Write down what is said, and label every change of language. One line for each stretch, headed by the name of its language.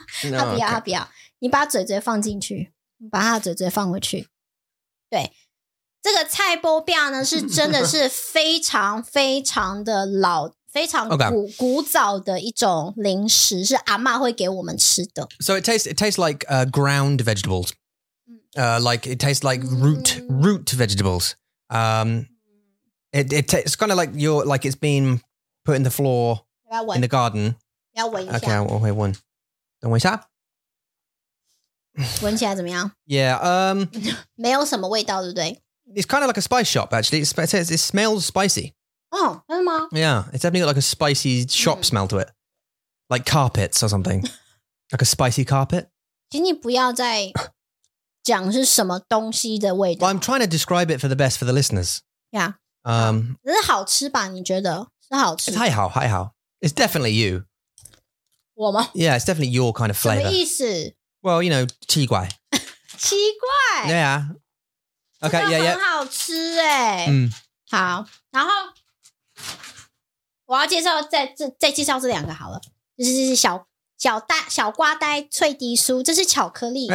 English: no,
Chinese: 他不要、
English: okay.
Chinese: 他不要你把嘴嘴放进去你把他的嘴嘴放回去对这个菜包饼呢是真的是非常非常的老非常 古早的一种零食是阿嬷会给我们吃的
English: So it tastes like ground vegetables like it tastes like root vegetables It's kind of like you're like it's been put in the floor in the garden.
Chinese: 要闻一下 Okay, 我会闻。等我一下。闻起来怎么样
English: ？Yeah.
Chinese: 没有什么味道，对不对
English: ？It's kind of like a spice shop, actually. It smells spicy.
Chinese: 哦，真的吗
English: ？Yeah, it's definitely got like a spicy shop smell to it, like carpets or something, like a spicy carpet.
Chinese: 请你不要再讲是什么东西的味道。
English: Well, I'm trying to describe it for the best for the listeners. Yeah.
Chinese: 是好吃吧你觉得是好吃还好还好
English: It's definitely you
Chinese: 我吗
English: Yeah it's definitely your kind of flavor
Chinese: 什么意思
English: Well you know 奇怪
Chinese: 奇怪
English: Yeah OK
Chinese: 真的很好吃耶、好然后我要介绍 再介绍这两个好了这、就是小瓜呆脆迪酥这是巧克力